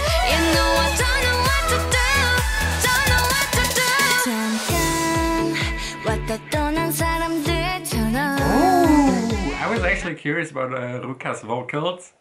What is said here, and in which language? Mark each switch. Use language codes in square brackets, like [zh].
[en] You know, I don't know what to do. Don't know what to do. [ko] 잠깐, 왔다 떠난 사람들처럼. [en] Oh, I was actually curious about Ruka's vocals.